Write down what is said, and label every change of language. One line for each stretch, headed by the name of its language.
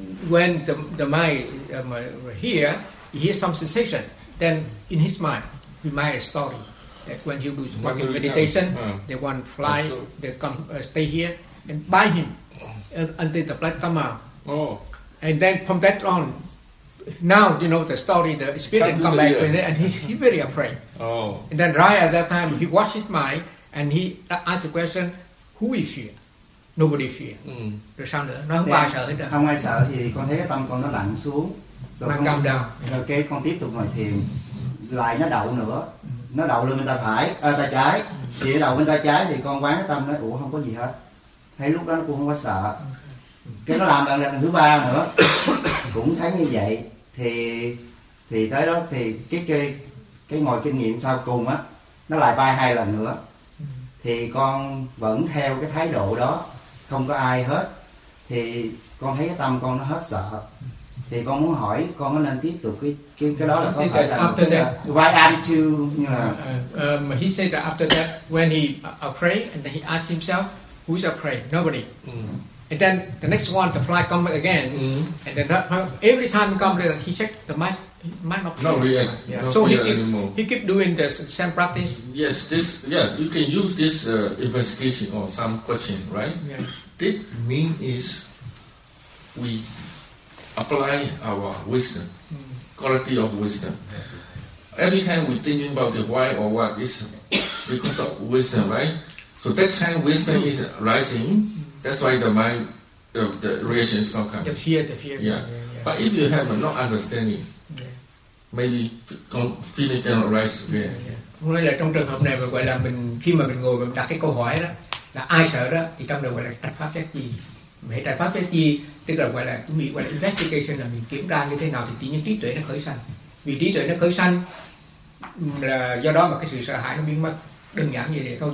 English: When the mind here, he hears some sensation, then in his mind remind a story that when he was walking meditation, the one fly they come stay here and bite him until the blood come out. Oh, and then from that on. Now, you know, the story, the spirit come back, and he's very afraid. Oh. And then right at that time, he watched his mind, and he asked the question, who is fear? Nobody fear.
Vietnamese: Rồi sao nữa? Nó không ai sợ hết. Không ai sợ thì con thấy cái tâm con nó lặng xuống. Mang cầm đầu. Rồi cái con tiếp tục ngồi thiền. Lại nó đậu nữa. Nó đậu lên bên ta phải, ta trái. chỉ đầu bên tay trái thì con quán cái tâm nói ủa không có gì hết, thấy lúc đó nó cũng không có sợ. Cái nó làm lần thứ ba nữa cũng thấy như vậy, thì tới đó thì cái ngồi kinh nghiệm sau cùng á nó lại bay hai lần nữa, thì con vẫn theo cái thái độ đó không có ai hết, thì con thấy cái tâm con nó hết sợ. Thì con muốn hỏi con có nên tiếp tục cái đó là có phải là
English: after that, why attitude he said that after that when he afraid and then he asked himself who's afraid, nobody. And then the next one, the fly come again. And then every time he come, he check the mind of not react. Yeah. Not so he keep doing the same practice. Yes, this you can use this investigation or some question, right? Yeah. This mean is we apply our wisdom, quality of wisdom. Every time we thinking about the why or what is because of wisdom, right? So that time wisdom is rising. That's why the mind, the reaction is not coming. The fear. Yeah. But if you have not understanding, maybe feeling cannot rise.
Vietnamese: Nói là trong trường hợp này gọi là mình khi mà mình ngồi mình đặt cái câu hỏi đó là ai sợ đó thì trong đầu gọi là trạch pháp chết gì, mấy trạch pháp chết gì tức là gọi là investigation là mình kiểm tra như thế nào thì tự nhiên trí tuệ nó khởi sanh. Vì trí tuệ nó khởi sanh là do đó mà cái sự sợ hãi nó biến mất, đơn giản như vậy thôi.